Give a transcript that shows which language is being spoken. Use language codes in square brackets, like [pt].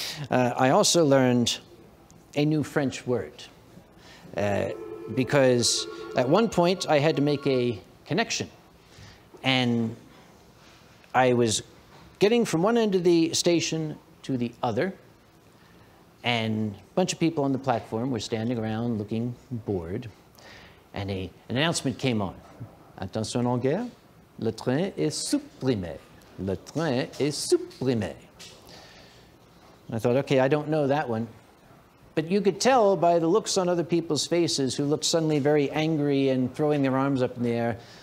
[en] I also learned a new French word because at one point I had to make a connection and I was getting from one end of the station to the other and a bunch of people on the platform were standing around looking bored and an announcement came on. [fr] Attention en guerre, le train est supprimé. Le train est supprimé. [en] I thought, okay, I don't know that one. But you could tell by the looks on other people's faces who looked suddenly very angry and throwing their arms up in the air.